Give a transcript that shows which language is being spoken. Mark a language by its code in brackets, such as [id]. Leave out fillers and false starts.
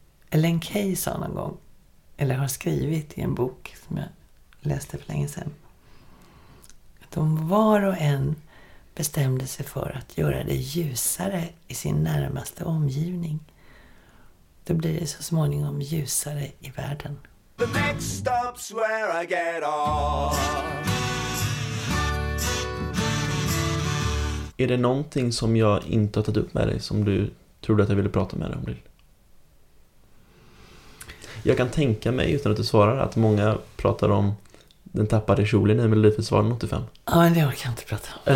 [sv] Ellen Key sa någon gång. Eller har skrivit i en bok som jag läste för länge sedan. Att om var och en bestämde sig för att göra det ljusare i sin närmaste omgivning, då blir det så småningom ljusare i världen. [en] The next stop's where I get off. [sv] Är det någonting som jag inte har tagit upp med dig som du trodde att jag ville prata med dig om, Lil? Jag kan tänka mig, utan att du svarar, att många pratar om den tappade kjolen i Melodifestivalen 85. Ja, men det orkar jag inte prata om.